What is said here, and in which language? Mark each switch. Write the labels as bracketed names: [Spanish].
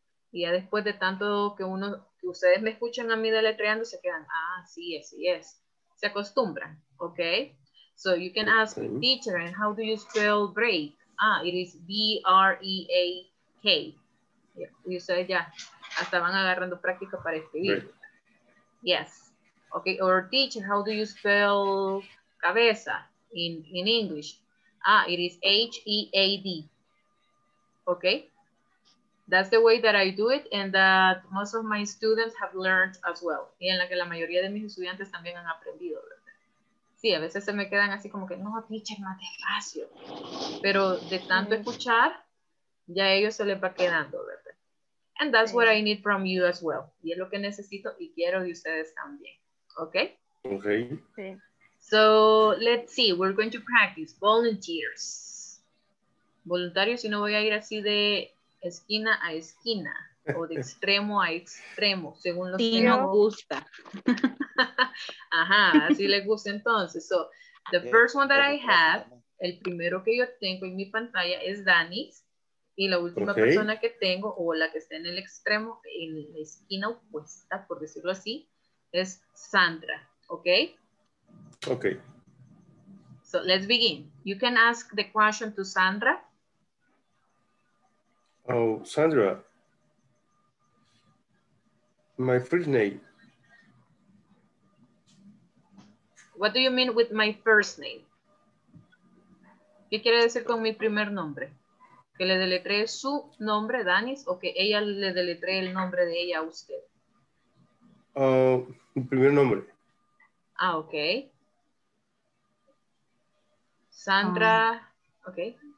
[Spanish] Y ya después de tanto que uno, que ustedes me escuchan a mí deletreando, se quedan, ah, sí es, sí es. Se acostumbran, [English] ¿ok? So you can ask, okay. Teacher, and how do you spell break? Ah, it is B-R-E-A-K. Yeah. [Spanish] Y ustedes ya hasta van agarrando práctica para escribir. [English] Right. Yes. Ok, or teacher, how do you spell cabeza in English? Ah, it is H-E-A-D. Okay? That's the way that I do it and that most of my students have learned as well. [Spanish] Y en la que la mayoría de mis estudiantes también han aprendido, ¿verdad? Sí, a veces se me quedan así como que, no, teacher, más despacio. Pero de tanto escuchar, ya ellos se les va quedando, ¿verdad? [English] And that's what I need from you as well. [Spanish] Y es lo que necesito y quiero de ustedes también. [English] Okay? Okay. [Spanish] Sí. [English] So, let's see, we're going to practice volunteers. [Spanish] Voluntarios, si no voy a ir así de esquina a esquina o de extremo a extremo, según los sí, que nos gusta. Ajá, así les gusta entonces. [English] So, the first one that I have, [Spanish] el primero que yo tengo en mi pantalla es Danis, y la última okay. persona que tengo, o la que está en el extremo, en la esquina opuesta, por decirlo así, es Sandra, ¿ok? [English] Okay. So let's begin. You can ask the question to Sandra. Oh, Sandra. My first name. What do you mean with my first name? [Spanish] ¿Qué quiere decir con mi primer nombre? Que le deletree su nombre, Danis, o que ella le deletree el nombre de ella a usted? Mi primer nombre. [English] Ah, okay. Sandra, okay.